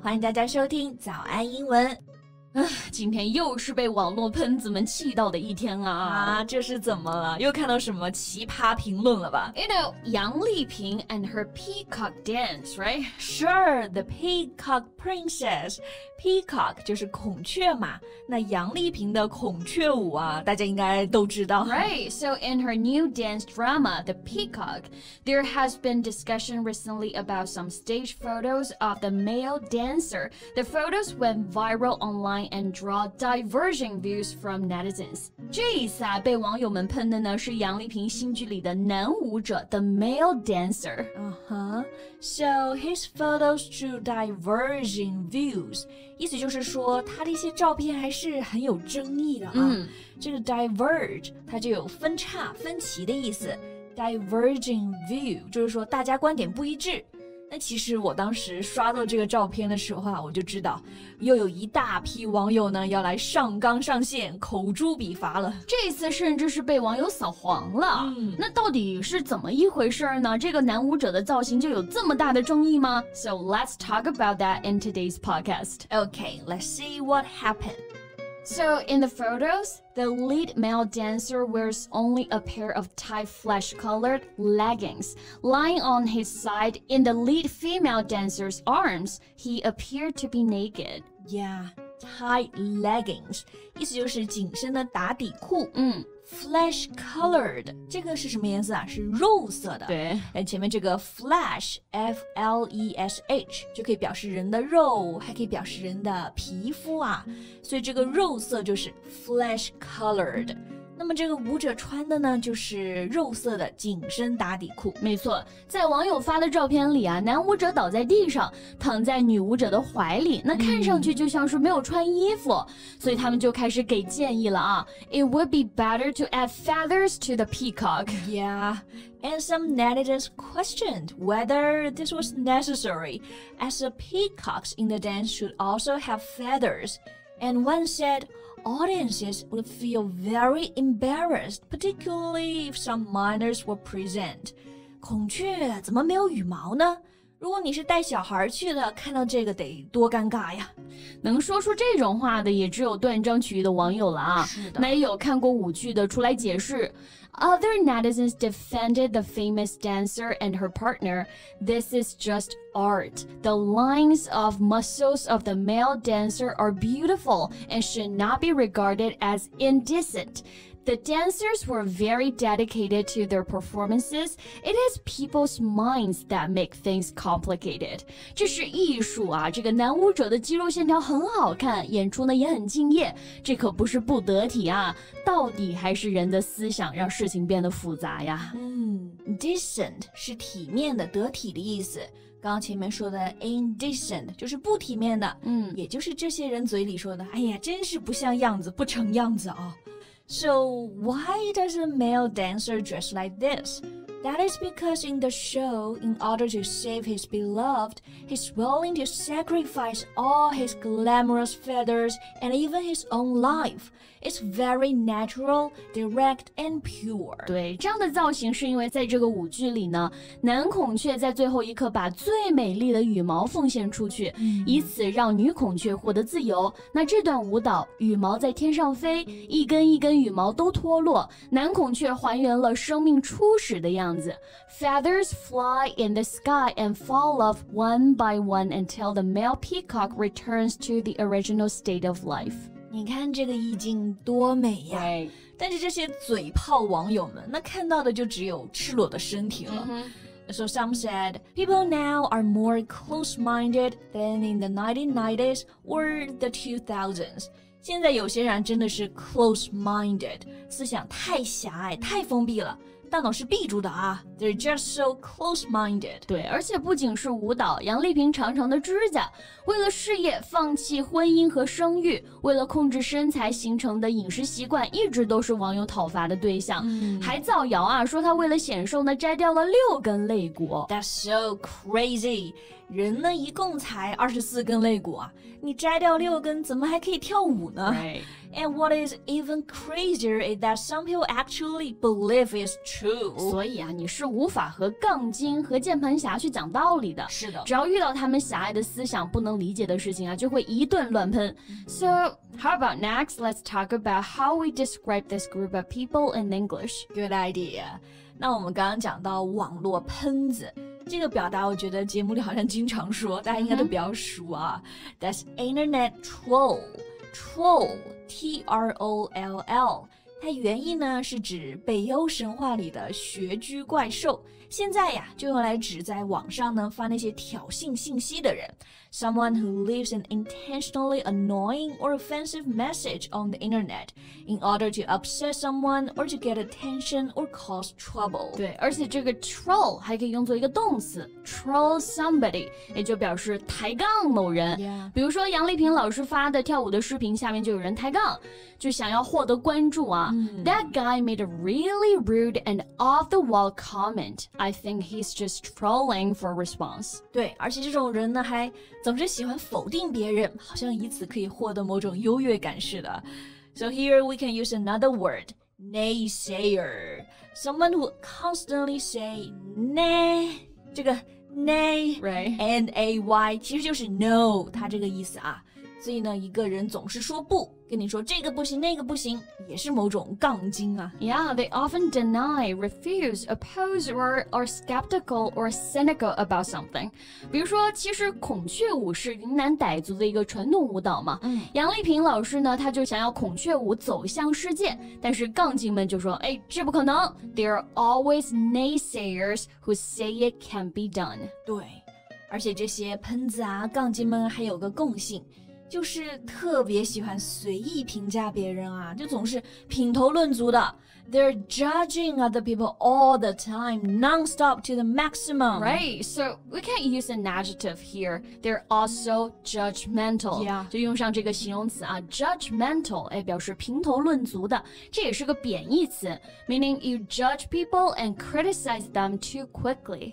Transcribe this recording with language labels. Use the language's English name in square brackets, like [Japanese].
[Chinese] 欢迎大家收听早安英文。今天又是被网络喷子们气到的一天啊。啊，这是怎么了？又看到什么奇葩评论了吧？ [English] You know, 杨丽萍 and her peacock dance, right? Sure, the peacock princess. Peacock [Chinese] 就是孔雀嘛。那杨丽萍的孔雀舞啊，大家应该都知道。 [English] Right, so in her new dance drama, The Peacock, there has been discussion recently about some stage photos of the male dancer. The photos went viral onlineand draw diverging views from netizens. [Chinese] 这一次啊，被网友们喷的呢是杨丽萍新剧里的男舞者 [English] The Male Dancer. So his photos drew diverging views. [Chinese] 意思就是说他的一些照片还是很有争议的啊。这个 diverge 它就有分叉分歧的意思。 Diverging view 就是说大家观点不一致。那其实我当时刷到这个照片的时候啊，我就知道又有一大批网友呢要来上纲上线口诛笔伐了，这次甚至是被网友扫黄了。那到底是怎么一回事呢？这个男舞者的造型就有这么大的争议吗？ [English] So let's talk about that in today's podcast. Okay, let's see what happened. So in the photos, the lead male dancer wears only a pair of tight flesh-colored leggings. Lying on his side in the lead female dancer's arms, he appeared to be naked. Yeah, tight leggings. [Chinese] 意思就是紧身的打底裤。 Flesh-colored, 这个是什么颜色啊？是肉色的。对。而前面这个 flesh, F-L-E-S-H, 就可以表示人的肉，还可以表示人的皮肤啊。所以这个肉色就是 flesh-colored。那么这个舞者穿的呢就是肉色的紧身打底裤。没错，在网友发的照片里啊，男舞者倒在地上，躺在女舞者的怀里，那看上去就像是没有穿衣服。所以他们就开始给建议了啊。 [English] It would be better to add feathers to the peacock. Yeah, and some netizens questioned whether this was necessary, as the peacocks in the dance should also have feathers. And one saidAudiences would feel very embarrassed, particularly if some minors were present. [Chinese] 孔雀怎么没有羽毛呢？如果你是带小孩去的，看到这个得多尴尬呀！能说出这种话的也只有断章取义的网友了啊！是的，没有看过舞剧的出来解释。 [English] Other netizens defended the famous dancer and her partner. This is just art. The lines of muscles of the male dancer are beautiful and should not be regarded as indecent. The dancers were very dedicated to their performances. It is people's minds that make things complicated. [Chinese] 这是艺术啊，这个男舞者的肌肉线条很好看，演出呢也很敬业，这可不是不得体啊，到底还是人的思想让事情变得复杂呀。 Decent 是体面的，得体的意思。刚前面说的 indecent 就是不体面的，也就是这些人嘴里说的，哎呀，真是不像样子，不成样子哦。 [English] So why does a male dancer dress like this? That is because in the show, in order to save his beloved, he's willing to sacrifice all his glamorous feathers and even his own life. It's very natural, direct, and pure. [Chinese] 对，这样的造型是因为在这个舞剧里呢，男孔雀在最后一刻把最美丽的羽毛奉献出去，以此让女孔雀获得自由。那这段舞蹈，羽毛在天上飞，一根一根羽毛都脱落，男孔雀还原了生命初始的样子. [English] Feathers fly in the sky and fall off one by one until the male peacock returns to the original state of life. [Chinese] 你看这个意境多美呀！ [English] Right. [Chinese] 但是这些嘴炮网友们，那看到的就只有赤裸的身体了。 [English] So some said, people now are more close-minded than in the 1990s or the 2000s. [Chinese] 现在有些人真的是 close-minded, 思想太狭隘太封闭了，大脑是闭住的啊。 [English] They're just so close-minded. [Chinese] 对，而且不仅是舞蹈，杨丽萍长长的指甲，为了事业放弃婚姻和生育，为了控制身材形成的饮食习惯一直都是网友讨伐的对象。还造谣啊，说她为了显瘦呢摘掉了六根肋骨。 [English] That's so crazy. [Chinese] 人呢一共才24根肋骨啊，你摘掉六根怎么还可以跳舞呢？ [English] And what is even crazier is that some people actually believe it's true. [Chinese] 所以啊，你是无法和杠精和键盘侠去讲道理的。是的，只要遇到他们狭隘的思想，不能理解的事情啊，就会一顿乱喷。 [English] So, how about next? Let's talk about how we describe this group of people in English. Good idea. [Chinese] 那我们刚刚讲到网络喷子。这个表达我觉得节目里好像经常说，大家应该都比较熟啊。 [English] Mm-hmm. That's internet troll. Troll, T-R-O-L-L. [Chinese] 它原意呢是指北欧神话里的穴居怪兽。现在呀就用来指在网上呢发那些挑衅信息的人。 [English] Someone who leaves an intentionally annoying or offensive message on the internet in order to upset someone or to get attention or cause trouble. [Chinese] 对，而且这个 troll 还可以用作一个动词 [English] troll somebody, [Chinese] 也就表示抬杠某人。 [English] Yeah. [Chinese] 比如说杨丽萍老师发的跳舞的视频下面就有人抬杠，就想要获得关注啊。 [English] That guy made a really rude and off the wall comment. I think he's just trolling for a response. [Chinese] 对，而且这种人呢还总是喜欢否定别人，好像以此可以获得某种优越感似的。 [English] So here we can use another word, naysayer. Someone who constantly say nay, [Chinese] 这个 [English] nay, right. [Chinese] N-A-Y, 其实就是 no, 它这个意思啊。所以呢，一个人总是说不，跟你说这个不行，那个不行，也是某种杠精啊。 [English] Yeah, they often deny, refuse, oppose, or are skeptical or cynical about something. [Chinese] 比如说，其实孔雀舞是云南傣族的一个传统舞蹈嘛。杨丽萍老师呢，他就想要孔雀舞走向世界，但是杠精们就说，哎，这不可能。 [English] There are always naysayers who say it can be done. [Chinese] 对，而且这些喷子啊，杠精们还有个共性。就是特别喜欢随意评价别人啊，就总是品头论足的。 [English] They're judging other people all the time, non-stop to the maximum. Right, so we can't use an adjective here. They're also judgmental. Yeah. [Chinese] 就用上这个形容词啊 ,judgmental, 哎，表示评头论足的。这也是个贬义词 [English] ,meaning you judge people and criticize them too quickly.